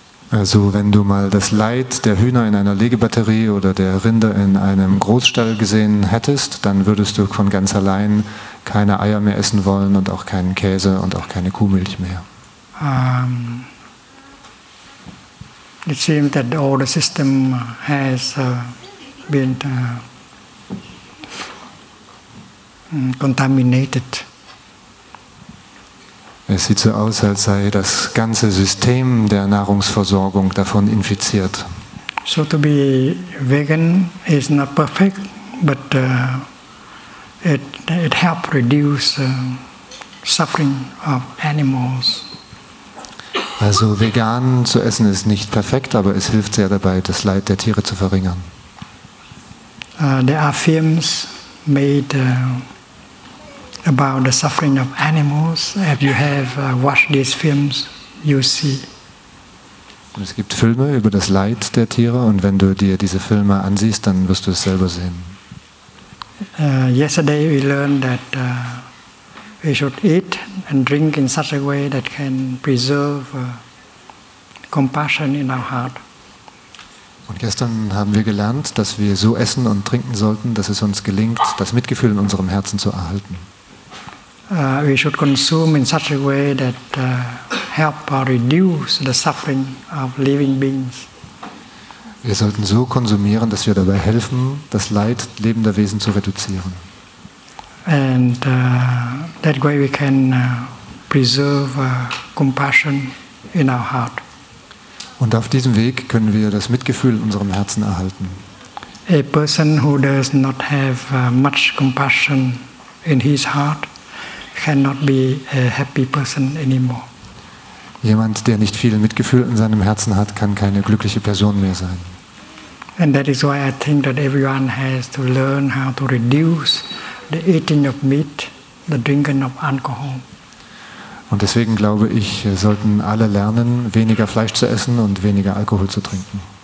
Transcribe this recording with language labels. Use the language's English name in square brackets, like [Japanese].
[German] Also wenn du mal das Leid der Hühner in einer Legebatterie oder der Rinder in einem Großstall gesehen hättest, dann würdest du von ganz allein keine Eier mehr essen wollen und auch keinen Käse und auch keine Kuhmilch mehr. [English] It seems that all the system has been contaminated. [German] Es sieht so aus, als sei das ganze System der Nahrungsversorgung davon infiziert. [English] So to be vegan is not perfect, but it helps reduce suffering of animals. [German] Also vegan zu essen ist nicht perfekt, aber es hilft sehr dabei, das Leid der Tiere zu verringern. [English] There are films made about the suffering of animals. If you have watched these films, you see. [German] Es gibt Filme über das Leid der Tiere, und wenn du dir diese Filme ansiehst, dann wirst du es selber sehen. [English] Yesterday we learned that we should eat and drink in such a way that can preserve compassion in our heart. [German] Und gestern haben wir gelernt, dass wir so essen und trinken sollten, dass es uns gelingt, das Mitgefühl in unserem Herzen zu erhalten. [English] We should consume in such a way that help reduce the suffering of living beings. [German] Wir sollten so konsumieren, dass wir dabei helfen, das Leid lebender Wesen zu reduzieren. [English] And that way we can preserve compassion in our heart. [German] Und auf diesem Weg können wir das Mitgefühl in unserem Herzen erhalten. [English] A person who does not have much compassion in his heart cannot be a happy person anymore. [German] Jemand, der nicht viel Mitgefühl in seinem Herzen hat, kann keine glückliche Person mehr sein. [English] And that is why I think that everyone has to learn how to reduce the eating of meat, the drinking of alcohol. [German] Und deswegen glaube ich, sollten alle lernen, weniger Fleisch zu essen und weniger Alkohol zu trinken.